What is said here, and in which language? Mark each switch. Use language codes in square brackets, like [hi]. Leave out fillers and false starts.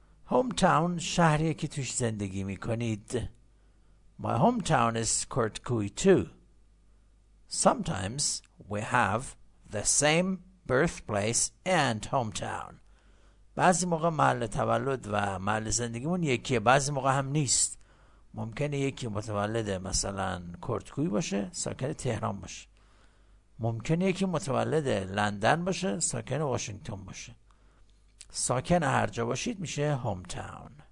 [fa] Hometown, شهریه که توش زندگی میکنید. [en] My hometown is Kurtkuy too. Sometimes we have the same birthplace and hometown. [fa] بعضی موقع محل تولد و محل زندگیمون یکیه، بعضی موقع هم نیست. ممکنه یکی متولد مثلا کرتکوی باشه، ساکن تهران باشه. ممکنه یکی متولد لندن باشه، ساکن واشنگتن باشه. ساکن هر جا باشید میشه hometown.